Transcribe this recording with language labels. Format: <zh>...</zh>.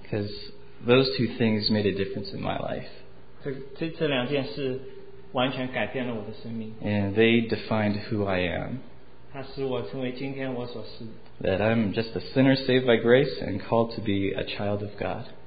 <en>Because those two things made a difference in my life.</en> <zh>这两件事完全改变了我的生命。</zh> <en>And they defined who I am.</en> <zh>他使我成为今天我所是。</zh> <en>That I'm just a sinner saved by grace and called to be a child of God.</en>